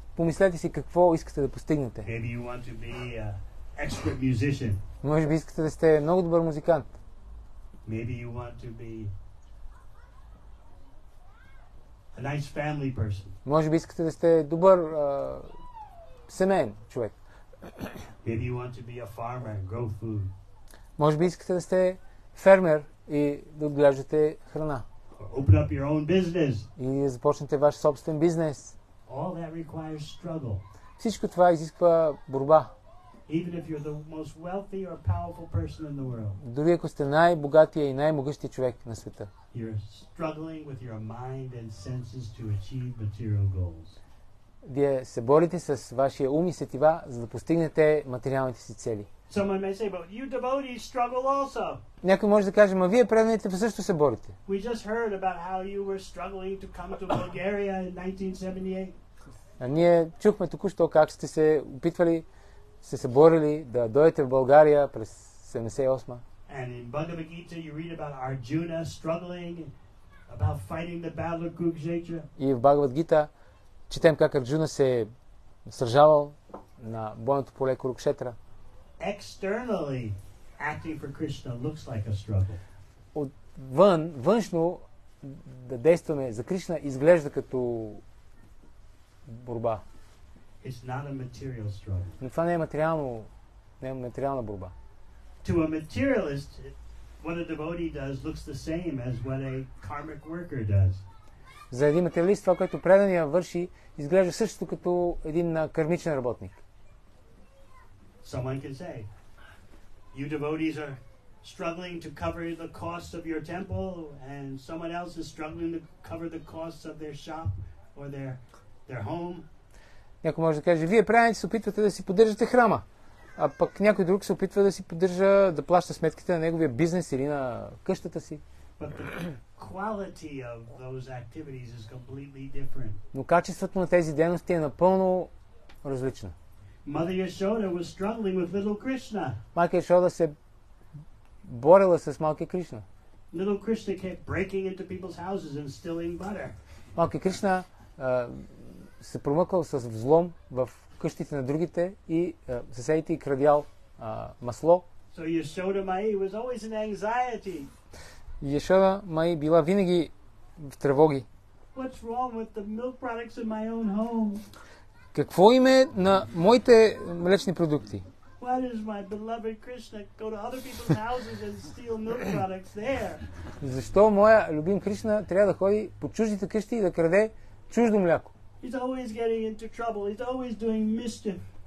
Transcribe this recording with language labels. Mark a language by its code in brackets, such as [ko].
[bg] Помислете си какво искате да постигнете. [en] Maybe you want to be an expert musician. [bg] Може би искате да сте много добър музикант. [en] Maybe you want to be a nice family person. [bg] Може би искате да сте добър семейен човек. [en] Maybe you want to be a farmer and grow food. [bg] Може би искате да сте фермер и да отглеждате храна. [en] Open up your own business. [bg] И да започнете ваш собствен бизнес. [en] All that requires struggle. [bg] Всичко това изисква борба. [en] Even if you're the most wealthy or powerful person in the world. [bg] Дори ако сте най-богатия и най-могъщия човек на света. [en] You're struggling with your mind and senses to achieve material goals. [bg] Вие се борите с вашия ум и сетива, за да постигнете материалните си цели. [en] Someone may say, but you devotees struggle also. [bg] Някой може да каже, ма вие преданите също се борите. [en] We just heard about how you were struggling to come to Bulgaria in 1978. [bg] А ние чухме току-що как сте се опитвали, сте се борили да дойдете в България през 78-ма. [en] And in Bhagavad Gita you read about Arjuna struggling about fighting the battle of Kurukshetra. [bg] И в Бхагавад Гита четем как Арджуна се сражавал на бойното поле Курукшетра. [en] Externally acting for Krishna looks like a struggle. [bg] Отвън, външно да действаме за Кришна изглежда като борба. [en] It's not a material struggle. [bg] Но това не е материална борба. [en] To a materialist, what a devotee does looks the same as what a karmic worker does. [bg] За един материалист, това, което предания върши, изглежда същото като един кармичен работник. [en] Someone can say, you devotees are struggling to cover the costs of your temple, and someone else is struggling to cover the costs of their shop or their home. [bg] Някой може да каже, вие предани се опитвате да си поддържате храма, а пък някой друг се опитва да си поддържа, да плаща сметките на неговия бизнес или на къщата си. [en] But the quality of those activities is completely different. [bg] Но качеството на тези дейности е напълно различно. [en] Mother Yashoda was struggling with little Krishna. [bg] Майка Яшода се борила с малки Кришна. [en] Little Krishna kept breaking into people's houses and stealing butter. [bg] Малки Кришна се промъквал с взлом в къщите на другите и съседите и крадял масло. [en] So Yashoda Mai was always in anxiety. [bg] Яшода Мои била винаги в тревоги. [en] What's wrong with the milk products in my own home? [bg] Какво име на моите млечни продукти? [en] Why does my beloved Krishna go to other people's houses and steal milk products there? [bg] Защо моя любим Кришна трябва да ходи по чуждите къщи и да краде чуждо мляко? [en] He's always getting into trouble. He's always doing mischief.